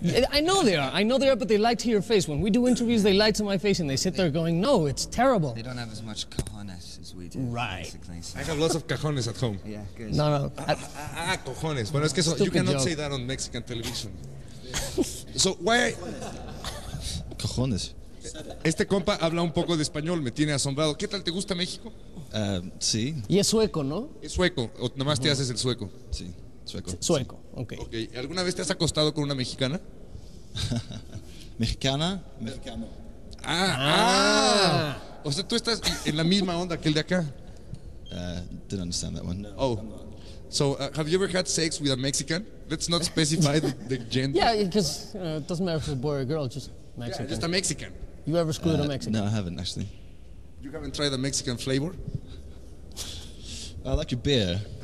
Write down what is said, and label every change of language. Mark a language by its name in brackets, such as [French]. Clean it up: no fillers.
[English] I know they are, but they lie to your face. When we do interviews, they lie to my face and they sit there going, no, it's terrible. They don't have as much cojones as we do. Right. Basically, so. I have lots of cojones at home. Yeah, good. No. [Spanish] Cojones. Bueno, es que [English] so, you cannot say that on Mexican television. So why... [Spanish] Cojones. Este compa habla un poco de español, me tiene asombrado. ¿Qué tal? ¿Te gusta México? Sí. Y es sueco, ¿no? Es sueco, o nomás te haces el sueco. Sí, sueco. Sueco, [English] okay. Ok. [Spanish] ¿Alguna vez te has acostado con una mexicana? ¿Mexicana? Mexicano. ¡Ah! O sea, tú estás en la misma onda que el de acá. [English] Didn't understand that one. No, oh. So, have you ever had sex with a Mexican? Let's not specify the gender. Yeah, because it doesn't matter if it's a boy or a girl, just Mexican. Yeah, just a Mexican. You ever screwed a Mexican? No, I haven't, actually. You haven't tried a Mexican flavor? I like your beer.